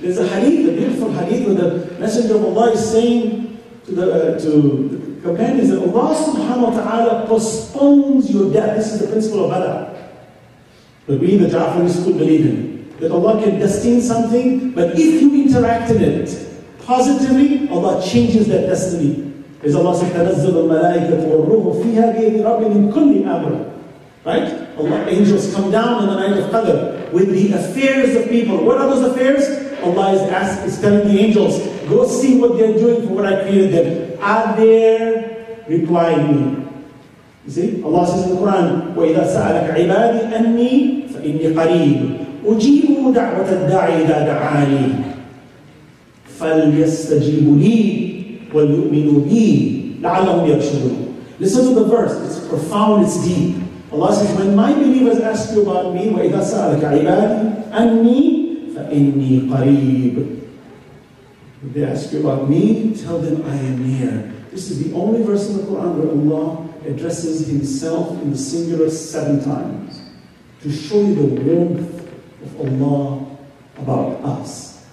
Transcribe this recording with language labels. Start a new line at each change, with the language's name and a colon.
English: There's a hadith, a beautiful hadith, where the Messenger of Allah is saying to the command is that Allah subhanahu wa ta'ala postpones your death. This is the principle of bala. But we, the Ja'faris, could believe in that Allah can destine something, but if you interact in it positively, Allah changes that destiny. Is Allah says,
Arabic: تَنَزَّلُ الْمَلَائِكَةُ وَالْرُّوحُ فِيهَا بِيَدِ رَبِّهِمْ كُلِّ أَمْرٍ.
English: Right? Allah, angels come down on the night of Qadr with the affairs of people. What are those affairs? Allah is telling the angels, go see what they're doing for what I created them. Are they replying me? You see? Allah says in the Quran,
Arabic: وَإِذَا سَأَلَكَ عِبَادِي أَنِّي فَإِنِّي قَرِيبٌ أُجِيبُ دَعْوَةَ الدَّاعِي إِذَا دَعَانِي فَلْيَسْتَجِيبُ لِي وَلْيُؤْمِنُ بِي لَعَلَّهُمْ يَرْشُدُونَ.
English: Listen to the verse, it's profound, it's deep. Allah says, when my believers ask you about me,
Arabic: وَإِذَا سَأَلَكَ عِبَادِي أَنِّي فَإِنِّي قَرِيبٌ.
English: If they ask you about me, tell them I am near. This is the only verse in the Quran where Allah addresses Himself in the singular 7 times to show you the warmth of Allah about us.